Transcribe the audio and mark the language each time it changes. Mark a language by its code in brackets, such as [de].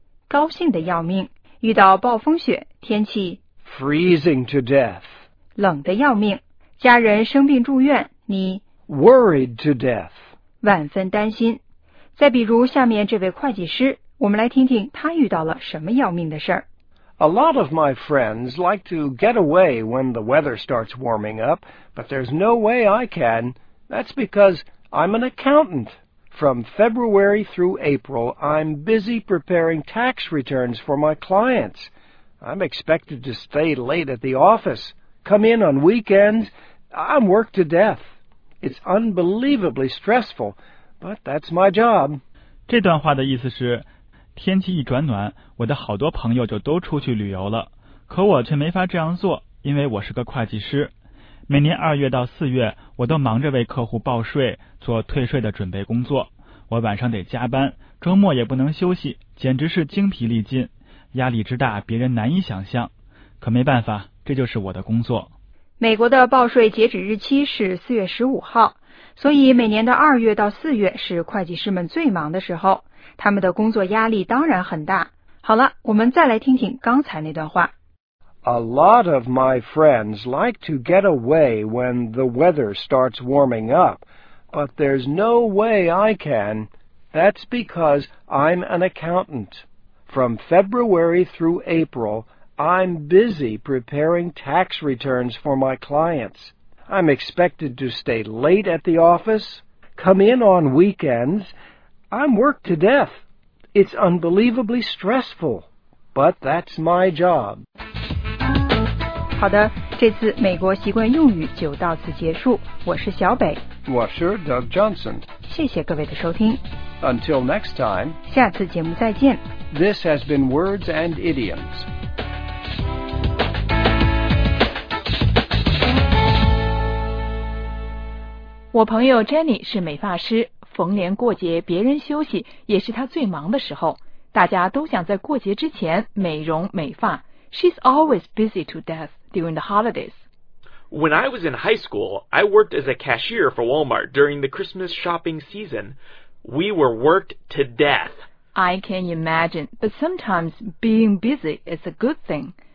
[zh] 高兴的要命；遇到暴风雪，天气 [en] freezing to death， [zh] 冷的要命；家人生病住院，你 [en] worried to death， [zh] 万分担心。再比如下面这位会计师，我们来听听他遇到了什么要命的事儿。 [en] A lot of my friends like to get away when the weather starts warming up, but there's no way I can. That's because I'm an accountant. From February through April, I'm busy preparing tax returns for my clients. I'm expected to stay late at the office, come in on weekends. I'm worked to death. It's unbelievably stressful, but that's my job. [zh] 这段话的意思是天气一转暖，我的好多朋友就都出去旅游了，可我却没法这样做，因为我是个会计师。每年二月到四月，我都忙着为客户报税，做退税的准备工作。我晚上得加班，周末也不能休息，简直是精疲力尽，压力之大，别人难以想象。可没办法，这就是我的工作。美国的报税截止日期是四月十五号，所以每年的二月到四月是会计师们最忙的时候。他们的工作压力当然很大。好了，我们再来听听刚才那段话。 [en] A lot of my friends like to get away when the weather starts warming up, but there's no way I can. That's because I'm an accountant. From February through April, I'm busy preparing tax returns for my clients. I'm expected to stay late at the office, come in on weekends,I'm worked to death. It's unbelievably stressful, but that's my job. [zh] 好的，这次美国习惯用语就到此结束。我是小北，我是 Doug Johnson。谢谢各位的收听。 [en] Until next time. [zh] 下次节目再见。 [en] This has been Words and Idioms. My friend Jenny is a hairdresser. [zh] 逢年过节，别人休息也是他最忙的时候，大家都想在过节之前美容美发。 [en] She's always busy to death during the holidays. When I was in high school, I worked as a cashier for Walmart during the Christmas shopping season. We were worked to death. I can imagine, but sometimes being busy is a good thing.